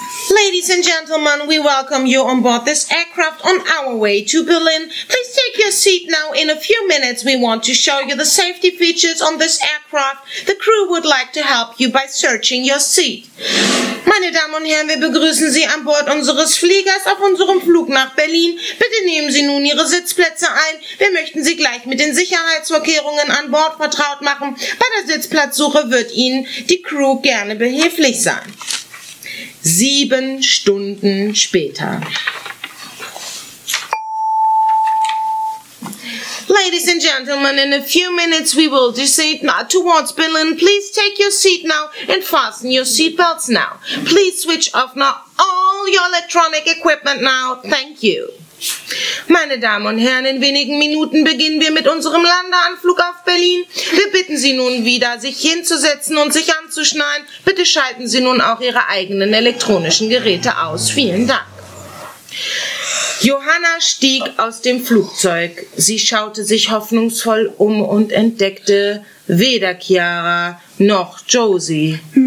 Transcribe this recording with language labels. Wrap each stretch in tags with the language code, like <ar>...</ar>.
<en>Ladies and gentlemen, we welcome you on board this aircraft on our way to Berlin. Please take your seat now. In a few minutes, we want to show you the safety features on this aircraft. The crew would like to help you by searching your seat.</en> <de>Meine Damen und Herren, wir begrüßen Sie an Bord unseres Fliegers auf unserem Flug nach Berlin. Bitte nehmen Sie nun Ihre Sitzplätze ein. Wir möchten Sie gleich mit den Sicherheitsvorkehrungen an Bord vertraut machen. Bei der Sitzplatzsuche wird Ihnen die Crew gerne behilflich sein. 7 Stunden später.</de> <en>Ladies and gentlemen, in a few minutes we will descend towards Berlin. Please take your seat now and fasten your seatbelts now. Please switch off now all your electronic equipment now. Thank you.</en> <de>Meine Damen und Herren, in wenigen Minuten beginnen wir mit unserem Landeanflug auf Berlin. Wir bitten Sie nun wieder, sich hinzusetzen und sich anzuschnallen. Bitte schalten Sie nun auch Ihre eigenen elektronischen Geräte aus. Vielen Dank. Johanna stieg aus dem Flugzeug. Sie schaute sich hoffnungsvoll um und entdeckte weder Chiara noch Josie.</de>